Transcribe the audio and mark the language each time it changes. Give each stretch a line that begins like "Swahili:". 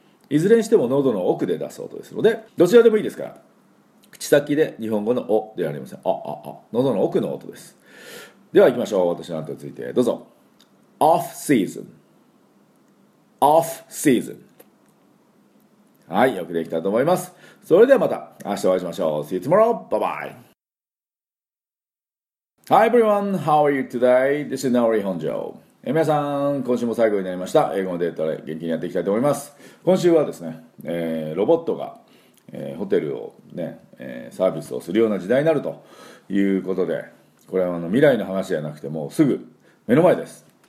Japanese: いずれにしても喉の奥で出す音ですので、どちらでもいいですから、口先で日本語のおではありません、ああああ、喉の奥の音です。では行きましょう。私の後についてどうぞ。Off season、 Off season、 はい、よくできたと思います。それではまた明日お会いしましょう。
English: See you tomorrow、 bye bye。 Hi everyone, how are you today? This is Naori Honjo。
Japanese: 皆さん、今週も最後になりました。英語のデータで元気にやっていきたいと思います。今週はですね、ロボットが、ホテルをね、サービスをするような時代になるということで、これはあの未来の話じゃなくて、もうすぐ目の前です。